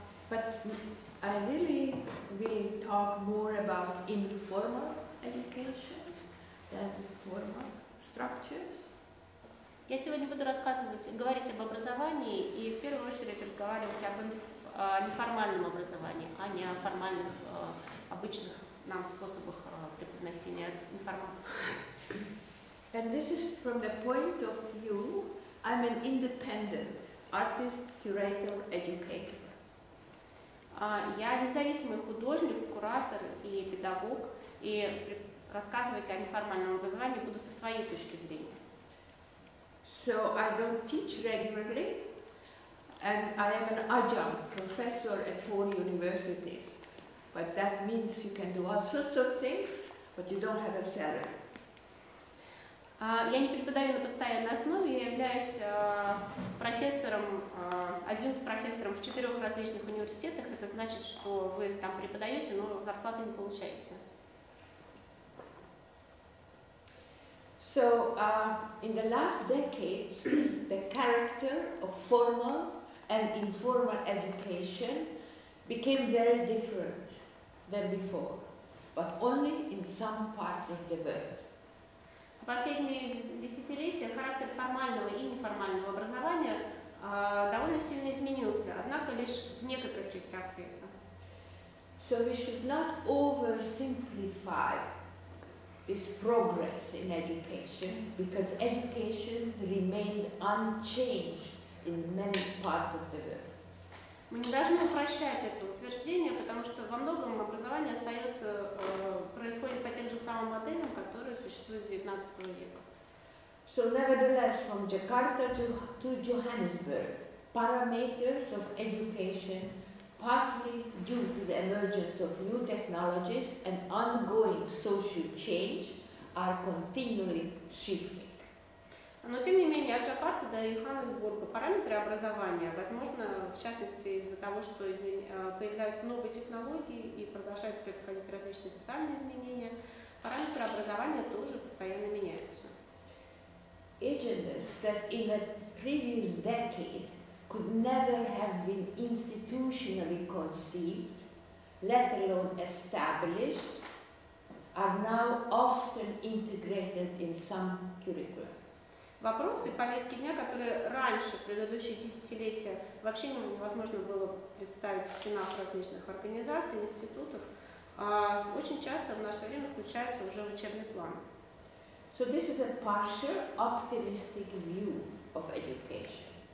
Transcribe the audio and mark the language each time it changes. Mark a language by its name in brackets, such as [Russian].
[English] But I really will talk more about informal education than formal structures. [Russian] Я сегодня буду рассказывать, говорить об образовании и в первую очередь разговаривать об неформальном образовании, а не о формальных обычных нам способах преподносения информации. [English] And this is from the point of view, I'm an independent artist, curator, educator. [Russian] Я независимый художник, куратор и педагог, и рассказывать о неформальном образовании буду со своей точки зрения. [English] So I don't teach regularly, and I am an adjunct professor at 4 universities. But that means you can do all sorts of things, but you don't have a salary. [Russian] Я не преподаю на постоянной основе, я являюсь профессором, адъюнкт-профессором в 4 различных университетах. Это значит, что вы там преподаете, но зарплаты не получаете. [English] So in the last decades, the character of formal and informal education became very different than before, but only in some parts of the world. [Russian] В последние десятилетия характер формального и неформального образования довольно сильно изменился, однако лишь в некоторых частях света. [English] So we should not oversimplify this progress in education, because education remained unchanged in many parts of the world. [Russian] Мы не должны упрощать это утверждение, потому что во многом образование остается, происходит по тем же самым моделям, которые существуют с 19 века. [English] So nevertheless, from Jakarta to Johannesburg, parameters of education, partly due to the emergence of new technologies and ongoing social change, are continually shifting. [Russian] Но тем не менее, от Джакарты до Йоханнесбурга параметры образования, возможно, в частности из-за того, что появляются новые технологии и продолжают происходить различные социальные изменения, параметры образования тоже постоянно меняются. [English] Agendas that in a previous decade could never have been institutionally conceived, let alone established, are now often integrated in some curricula. [Russian] Вопросы повестки дня, которые раньше, в предыдущие десятилетия, вообще невозможно было представить в стенах различных организаций, институтов, очень часто в наше время включаются уже в учебный план. [English] So this is a partial optimistic view of education.